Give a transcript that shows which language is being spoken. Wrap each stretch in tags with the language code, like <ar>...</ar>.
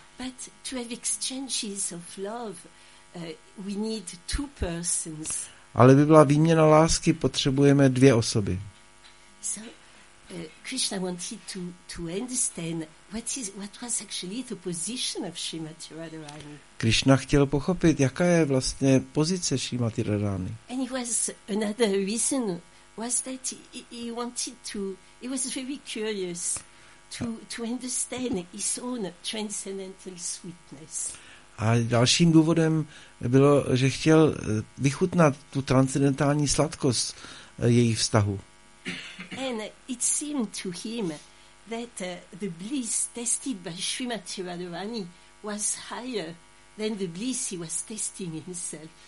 <en>But to have exchanges of love, we need two persons.</en> <cs>Ale by byla výměna lásky, potřebujeme dvě osoby.</cs> <en>So, Krishna wanted to understand what was actually the position of Srimati Radharani.</en> <cs>Krishna chtěl pochopit, jaká je vlastně pozice Srimati Radharani.</cs> <en>And it was another reason was that he was very curious. To understand his own transcendental sweetness.</en> <cs>A dalším důvodem bylo, že chtěl vychutnat tu transcendentální sladkost jejich vztahu.</cs> <en>And it seemed to him that the bliss tasted by Srimati Radharani was higher than the bliss he was tasting himself.</en>